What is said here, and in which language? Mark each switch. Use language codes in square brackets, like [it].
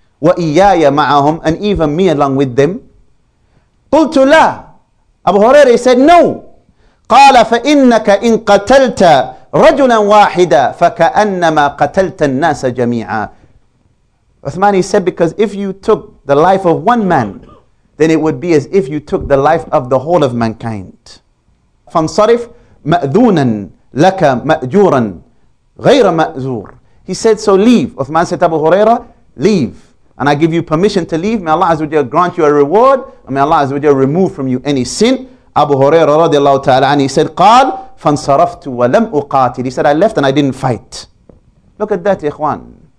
[ar] وَإِيَّايَ مَعَهُمْ [en] And even me along with them? [ar] قُلْتُ لَا [en] Abu Huraira said, no. [ar] قَالَ فَإِنَّكَ إِن قَتَلْتَ رَجُلًا وَاحِدًا فَكَأَنَّمَا قَتَلْتَ النَّاسَ جَمِيعًا [en] Uthman, he said, because if you took the life of one man, then it would be as if you took the life of the whole of mankind. [ar] فَانْصَرِفْ مَأْذُونًا لَكَ مَأْجُورًا غَيْرَ مَأْذُورًا [en] He said, so leave. Uthman said to Abu Huraira, leave. And I give you permission to leave. May Allah Azza wa Jalla grant you a reward. And may Allah Azza wa Jalla remove from you any sin. Abu Huraira radiallahu ta'ala anhu, he said, [ar] قال فَانْصَرَفْتُ وَلَمْ أُقَاتِلِ [en] He said, I left and I didn't fight. Look at that, ikhwan.